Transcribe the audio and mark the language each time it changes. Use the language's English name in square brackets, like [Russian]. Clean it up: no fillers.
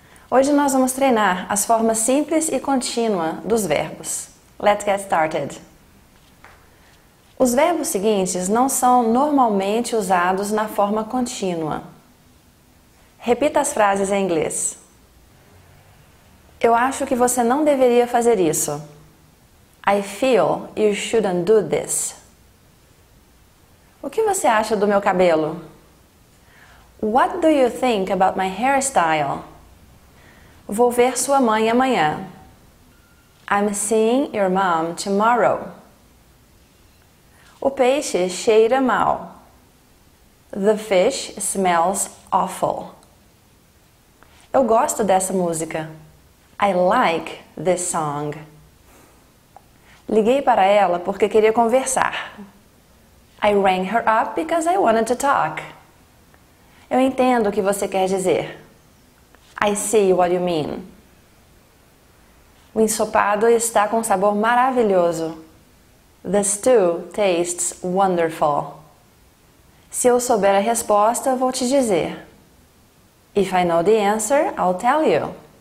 [Portuguese] Hoje nós vamos treinar as formas simples e contínua dos verbos. [English] Let's get started! [Portuguese] Os verbos seguintes não são normalmente usados na forma contínua. Repita as frases em inglês. Eu acho que você não deveria fazer isso. [English] I feel you shouldn't do this. [Portuguese] O que você acha do meu cabelo? [English] What do you think about my hairstyle? [Portuguese] Vou ver sua mãe amanhã. [English] I'm seeing your mom tomorrow. [Portuguese] O peixe cheira mal. [English] The fish smells awful. [Portuguese] Eu gosto dessa música. [English] I like this song. [Portuguese] Liguei para ela porque queria conversar. [English] I rang her up because I wanted to talk. [Portuguese] Eu entendo o que você quer dizer. [English] I see what you mean. [Portuguese] O ensopado está com um sabor maravilhoso. [English] The stew tastes wonderful. [Portuguese] Se eu souber a resposta, vou te dizer. [English] If I know the answer, I'll tell you.